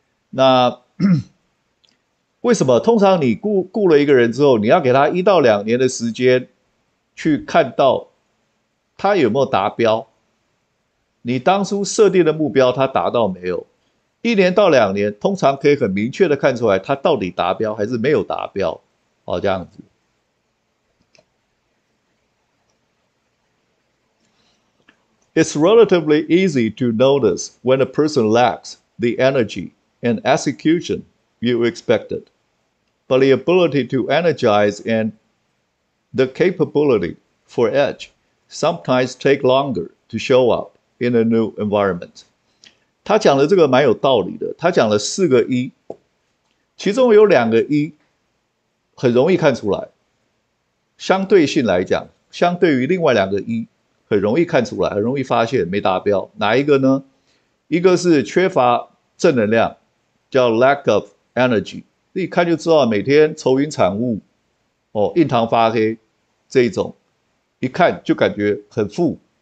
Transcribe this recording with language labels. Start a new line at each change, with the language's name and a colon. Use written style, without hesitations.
Chinese: 那为什么？通常你雇了一个人之后，你要给他1到2年的时间去看到他有没有达标，你当初设定的目标他达到没有？ 1年到2年，通常可以很明确的看出来他到底达标还是没有达标，哦，这样子。
English: It's relatively easy to notice when a person lacks the energy and execution you expected. But the ability to energize and the capability for edge sometimes take longer to show up in a new environment.
Chinese: 他讲的这个蛮有道理的，他讲了4个一，其中有2个一很容易看出来，相对性来讲，相对于另外2个一。很容易看出来，很容易发现没达标。哪一个呢？一个是缺乏正能量，叫
English: lack of energy，
Chinese: 一看就知道每天愁云惨雾，哦，印堂发黑这一种，一看就感觉很负。